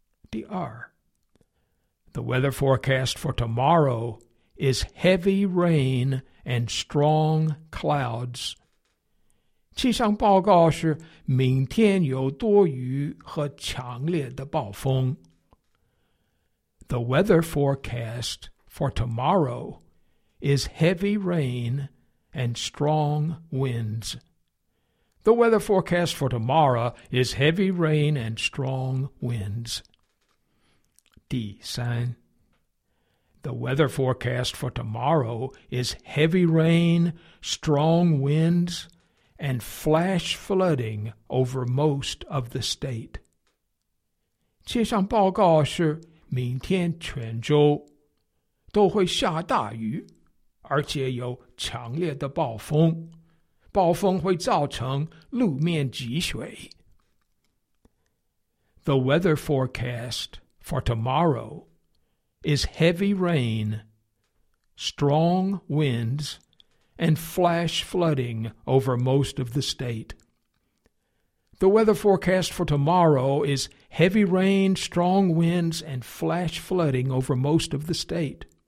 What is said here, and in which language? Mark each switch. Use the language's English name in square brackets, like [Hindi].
[English] 第二， The weather forecast for tomorrow is heavy rain and strong clouds. [Chinese] 气象报告是明天有多雨和强烈的暴风。 [English] The weather forecast for tomorrow is heavy rain and strong winds. The weather forecast for tomorrow is heavy rain and strong winds. 第三， The weather forecast for tomorrow is heavy rain, strong winds, and flash flooding over most of the state. [Chinese] 气象报告是明天全州都会下大雨，而且有强烈的暴风，暴风会造成路面积水。 [English] The weather forecast for tomorrow is heavy rain, strong winds, and flash flooding over most of the state. The weather forecast for tomorrow is heavy rain, strong winds, and flash flooding over most of the state.